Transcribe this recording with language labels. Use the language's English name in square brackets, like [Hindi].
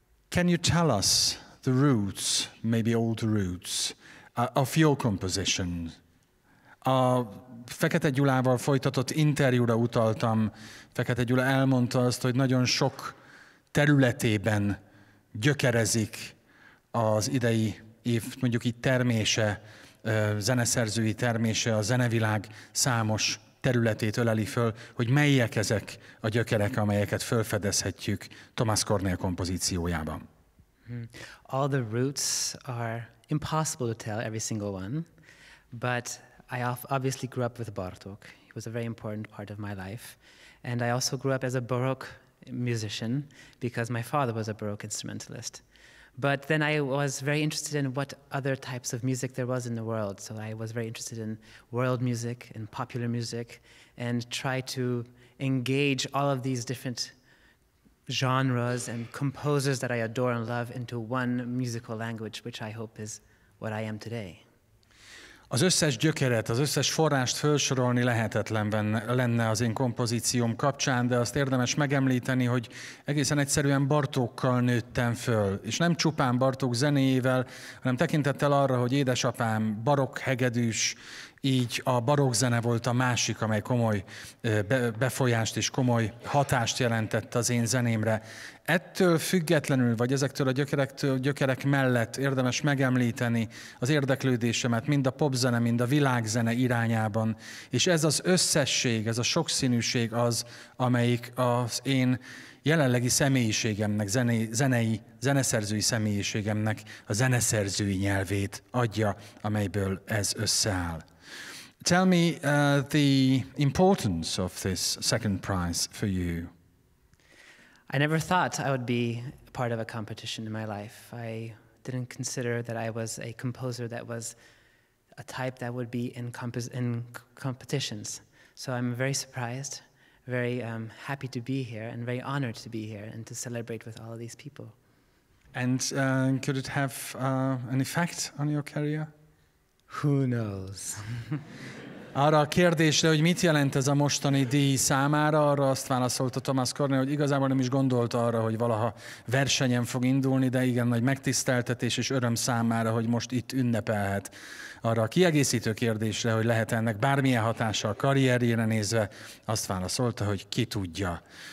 [English] Can you tell us the roots, maybe all the roots, of your composition? [Hungarian] A Fekete Gyulával folytatott interjúra utaltam. Fekete Gyula elmondta azt, hogy nagyon sok területében gyökerezik az idei év, mondjuk így termése, zeneszerzői termése, a zenevilág számos területét öleli föl, hogy melyek ezek a gyökerek, amelyeket felfedezhetjük Thomas Kornél kompozíciójában. [English] All the roots are impossible to tell, every single one, but I obviously grew up with Bartók. He was a very important part of my life, and I also grew up as a Baroque musician because my father was a Baroque instrumentalist. But then I was very interested in what other types of music there was in the world, so I was very interested in world music and popular music and try to engage all of these different genres and composers that I adore and love into one musical language, which I hope is what I am today. [Hungarian] Az összes gyökeret, az összes forrást felsorolni lehetetlenben lenne az én kompozícióm kapcsán, de azt érdemes megemlíteni, hogy egészen egyszerűen Bartókkal nőttem föl, és nem csupán Bartók zenéjével, hanem tekintettel arra, hogy édesapám barokk hegedűs, így a barokk zene volt a másik, amely komoly befolyást és komoly hatást jelentett az én zenémre. Ettől függetlenül, vagy ezektől a gyökerek mellett érdemes megemlíteni az érdeklődésemet mind a popzene, mind a világzene irányában, és ez az összesség, ez a sokszínűség az, amelyik az én jelenlegi személyiségemnek, zeneszerzői személyiségemnek a zeneszerzői nyelvét adja, amelyből ez összeáll. [English] Tell me the importance of this second prize for you. I never thought I would be part of a competition in my life. I didn't consider that I was a composer that was a type that would be in competitions. So I'm very surprised, very happy to be here, and very honored to be here and to celebrate with all of these people. And could it have an effect on your career? Who knows? [Hungarian] Arra a kérdésre, hogy mit jelent ez a mostani díj számára, arra azt válaszolta Thomas Kornél, hogy igazából nem is gondolta arra, hogy valaha versenyen fog indulni, de igen, nagy megtiszteltetés és öröm számára, hogy most itt ünnepelhet. Arra a kiegészítő kérdésre, hogy lehet ennek bármilyen hatása a karrierjére nézve, azt válaszolta, hogy ki tudja.